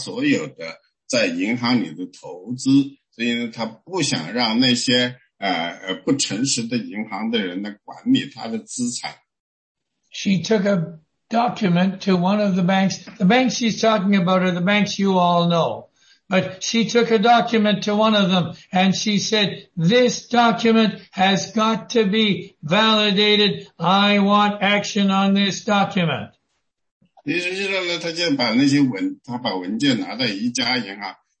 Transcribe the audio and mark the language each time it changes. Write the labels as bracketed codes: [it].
[zh] 所以呢，他非常失望，所以呢，他决定控制他所有的在银行里的投资。所以呢，他不想让那些不诚实的银行的人呢管理他的资产。 [en] She took a document to one of the banks. The banks she's talking about are the banks you all know. But she took a document to one of them, and she said, "This document has got to be validated. I want action on this document." [zh] 实际上呢，他就把文件拿到一家银行。